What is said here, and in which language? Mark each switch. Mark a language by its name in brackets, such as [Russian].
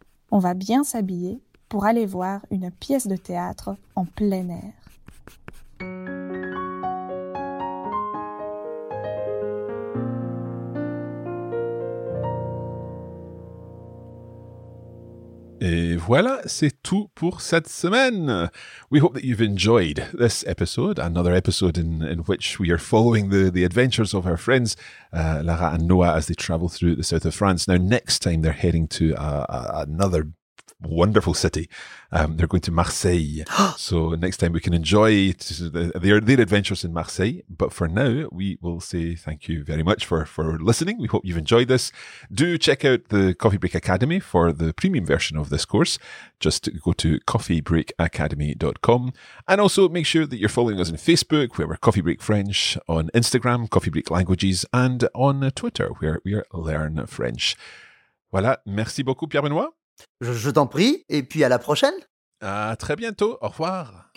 [French] On va bien s'habiller pour aller voir une pièce de théâtre en plein air. Et voilà, c'est tout pour cette semaine. [English] We hope that you've enjoyed this episode, another episode in which we are following the adventures of our friends, Lara and Noah, as they travel through the south of France. Now, next time they're heading to another wonderful city. They're going to Marseille. So next time we can enjoy their adventures in Marseille. But for now, we will say thank you very much for listening. We hope you've enjoyed this. Do check out the Coffee Break Academy for the premium version of this course. Just go to coffeebreakacademy.com. And also make sure that you're following us on Facebook, where we're Coffee Break French, on Instagram, Coffee Break Languages, and on Twitter, where we are Learn French. [French] Voilà. Merci beaucoup, Pierre-Benoît. Je t'en prie, et puis à la prochaine. À très bientôt, au revoir.